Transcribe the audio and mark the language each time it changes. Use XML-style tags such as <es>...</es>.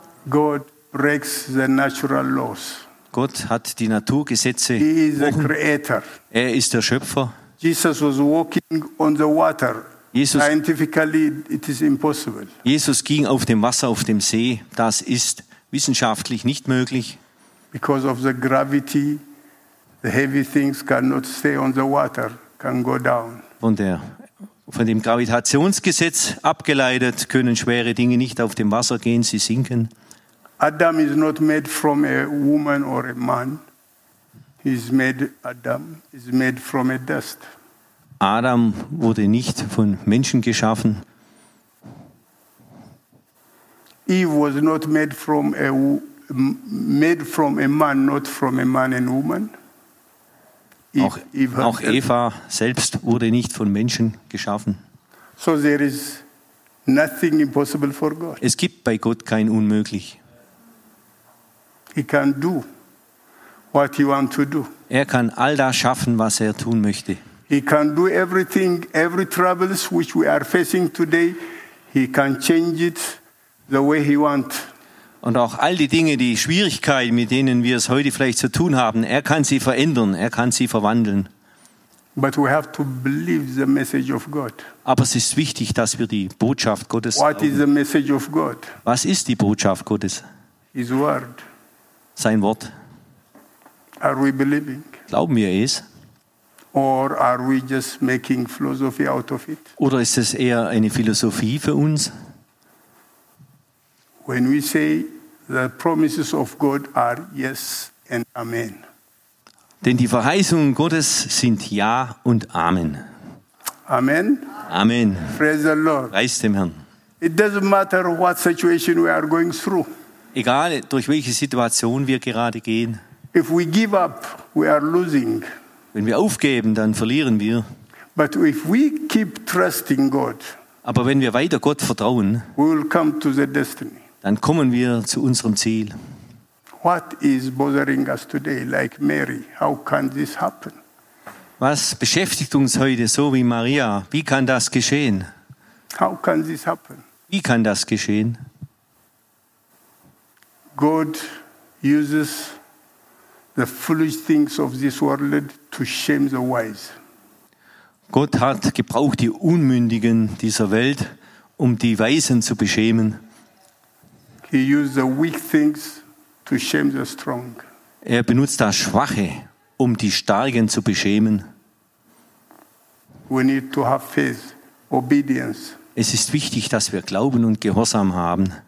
<en>God breaks the natural laws.</en> <de>Gott hat die Naturgesetze.</de> <en>He is the creator.</en> <de>Er ist der Schöpfer.</de> <en>Jesus was walking on the water.</en> <de>Jesus,</de> <en>scientifically it is impossible.</en> <de>Jesus ging auf dem Wasser, auf dem See. Das ist wissenschaftlich nicht möglich.</de> <en>Because of the gravity, the heavy things cannot stay on the water, can go down.</en> <de>Von dem Gravitationsgesetz abgeleitet können schwere Dinge nicht auf dem Wasser gehen, sie sinken.</de> <en>Adam is not made from a woman or a man. Adam is made from a dust.</en> <de>Adam wurde nicht von Menschen geschaffen.</de> <en>Eve was not made from a man, not from a man and woman.</en> <de>Auch Eva selbst wurde nicht von Menschen geschaffen.</de> <en>So there is nothing impossible for God.</en> <de>Es gibt bei Gott kein Unmöglich.</de> <en>He can do what he want to do.</en> <de>Er kann all das schaffen, was er tun möchte.</de> <en>He can do everything, every troubles which we are facing today, he can change it the way he want.</en> <de>Und auch all die Dinge, die Schwierigkeiten, mit denen wir es heute vielleicht zu tun haben, er kann sie verändern, er kann sie verwandeln.</de> <en>But we have to believe the message of God.</en> <de>Aber es ist wichtig, dass wir die Botschaft Gottes glauben.</de> <en>What is the message of God?</en> <de>Was ist die Botschaft Gottes?</de> <en>His word.</en> <de>Sein Wort.</de> <en>Are we believing?</en> <de>Glauben wir es?</de> <en>Or are we just making philosophy out of it?</en> <de>Oder ist es eher eine Philosophie für uns?</de> <en>When we say the promises of God are yes and amen.</en> <de>Denn die Verheißungen Gottes sind ja und amen.</de> <en>Amen.</en> <de>Amen.</de> <en>Praise the Lord.</en> <de>Preist dem Herrn.</de> <en>It doesn't matter what situation we are going through.</en> <de>Egal, durch welche Situation wir gerade gehen.</de> <en>If we give up, we are losing.</en> <de>Wenn wir aufgeben, dann verlieren wir.</de> <en>But if we keep trusting God,</en> <de>aber wenn wir weiter Gott vertrauen,</de> <en>we will come to the destiny.</en> <de>Dann kommen wir zu unserem Ziel.</de> <en>What is bothering us today, like Mary? How can this happen?</en> <de>Was beschäftigt uns heute so wie Maria? Wie kann das geschehen?</de> <en>How can this happen?</en> <de>Wie kann das geschehen?</de> <en>God uses the foolish things of this world to shame the wise.</en> <de>Gott hat gebraucht die Unmündigen dieser Welt, um die Weisen zu beschämen.</de> <en>He used the weak things to shame the strong.</en> <de>Er benutzt das Schwache, um die Starken zu beschämen.</de> <en>We need to have faith, obedience.</en> <de>Es ist wichtig, dass wir Glauben und Gehorsam haben.</de>